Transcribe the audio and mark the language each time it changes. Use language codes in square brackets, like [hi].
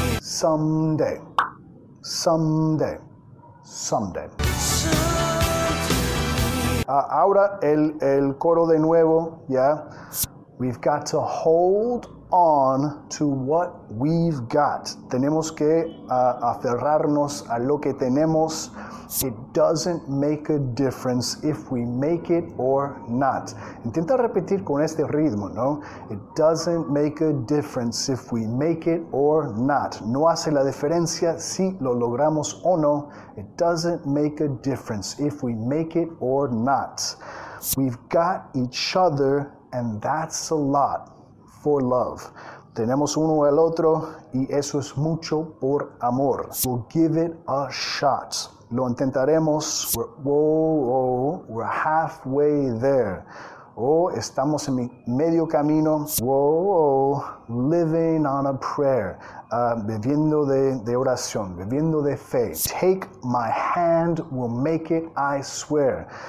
[en] Someday. Someday. Someday. [es] Ahora el coro de nuevo, ¿ya? [en] We've got to hold on to what we've got. [es] Tenemos que aferrarnos a lo que tenemos. [en] It doesn't make a difference if we make it or not. [es] Intenta repetir con este ritmo, ¿no? [en] It doesn't make a difference if we make it or not. [es] No hace la diferencia si lo logramos o no. [en] It doesn't make a difference if we make it or not. We've got each other and that's a lot for love. [es] Tenemos uno al otro y eso es mucho por amor. [en] We'll give it a shot. [es] Lo intentaremos. [en] We're halfway there. [es] Oh, estamos en medio camino. [en] Living on a prayer. [es] Viviendo de oración, viviendo de fe. [en] Take my hand, we'll make it, I swear.